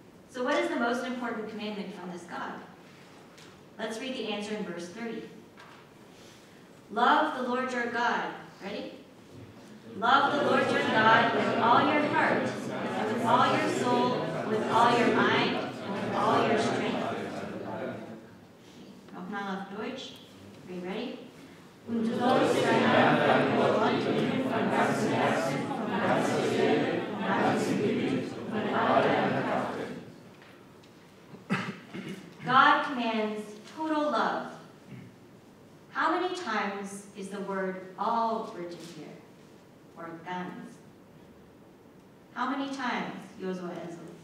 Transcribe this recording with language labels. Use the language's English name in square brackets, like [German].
[English] So what is the most important commandment from this God? Let's read the answer in verse 30. Love the Lord your God. Ready? Love the Lord your God with all your heart, and with all your soul, with all your mind, and with all your strength. [German] Nochmal auf Deutsch. [English] Are you ready? [German] Und du sollst deinen Herrn, deinen Gott, lieben von ganzem Herzen, von ganzer Seele, von ganzem Gemüt, von all deiner Kraft. [English] God commands total love. How many times is the word all written here? Or ganz? How many times, Josua Ezel?